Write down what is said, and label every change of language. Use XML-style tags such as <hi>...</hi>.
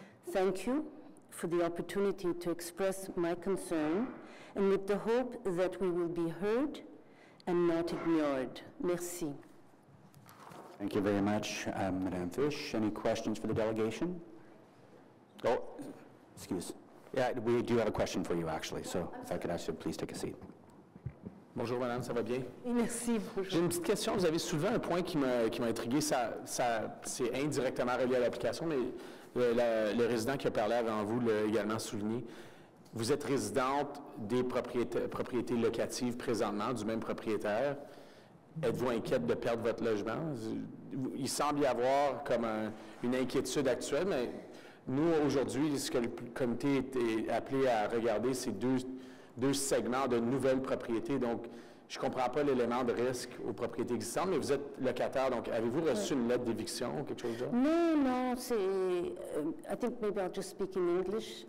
<en>Thank you for the opportunity to express my concern and with the hope that we will be heard and not ignored.</en> <fr>Merci.</fr> <en>Thank you very much, Madame Fish. Any questions for the delegation? Oh, excuse. Yeah, we do have a question for you, actually. So if I could ask you, please take a seat.</en> <fr>Bonjour, madame, ça va bien? Oui, merci, bonjour. J'ai une petite question. Vous avez soulevé un point qui m'a intrigué. Ça, c'est indirectement relié à l'application, mais le résident qui a parlé avant vous l'a également souligné. Vous êtes résidente des propriétés locatives présentement du même propriétaire. Êtes-vous inquiète de perdre votre logement? Il semble y avoir comme une inquiétude actuelle, mais nous, aujourd'hui, ce que le comité est appelé à regarder, c'est deux segments de nouvelles propriétés. Donc, Je ne comprends pas l'élément de risque aux propriétés existantes, mais vous êtes locataire, donc avez-vous reçu une lettre d'éviction ou quelque chose de genre? Non, c'est...</fr> <en>I think maybe I'll just speak in English.</en>